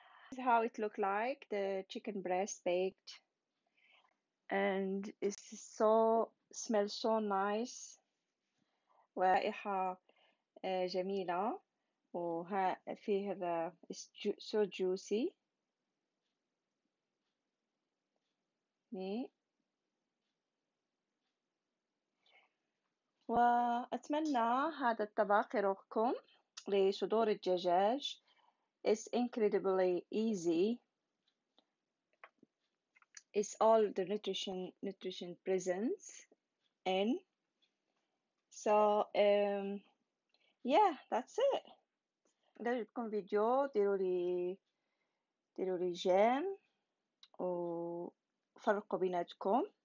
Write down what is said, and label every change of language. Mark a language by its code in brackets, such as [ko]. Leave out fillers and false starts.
[en] This is how it looked like the chicken breast baked and it's so smells so nice. [ar] رائحة جميلة وفيه هذا [en] so juicy. [ar] وأتمنى هذا الطبق يروقكم لصدور الدجاج. [en] It's incredibly easy. It's all the nutrition presents in. So yeah, that's it. [ar] إذا عجبكم الفيديو ديرولي جيم وفرقوا بيناتكم.